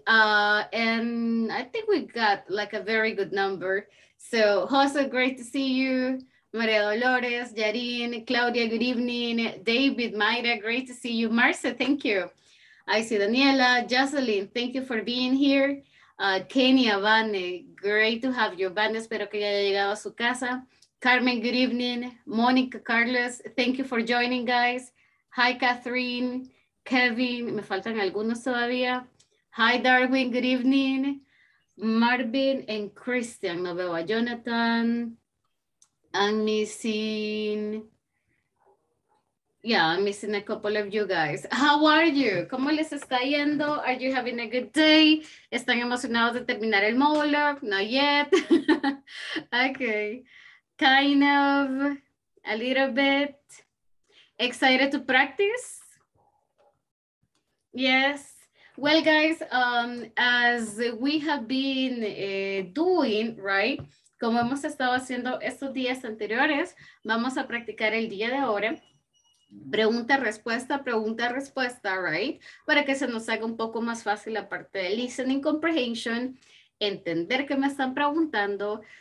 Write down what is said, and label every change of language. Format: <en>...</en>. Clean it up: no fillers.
<en>And I think we got like a very good number. So, Jose, great to see you. Maria Dolores, Yarin, Claudia, good evening. David, Mayra, great to see you. Marce, thank you. I see Daniela, Jocelyn, thank you for being here. Kenia, Vane, great to have you.</en> <es>Vane, espero que haya llegado a su casa.</es> <en>Carmen, good evening. Monica, Carlos, thank you for joining, guys. Hi, Catherine, Kevin,</en> <es>me faltan algunos todavía.</es> <en>Hi, Darwin, good evening. Marvin and Christian,</en> <es>no veo a Jonathan.</es> <en>I'm missing... Yeah, I'm missing a couple of you guys. How are you?</en> <es>¿Cómo les está yendo?</es> <en>Are you having a good day?</en> <es>¿Están emocionados de terminar el módulo?</es> <en>Not yet. Okay. Kind of. A little bit. Excited to practice? Yes. Well, guys, as we have been doing, right?</en> <es>Como hemos estado haciendo estos días anteriores, vamos a practicar el día de ahora. Pregunta, respuesta, right? Para que se nos haga un poco más fácil la parte de listening comprehension, entender qué me están preguntando.</es>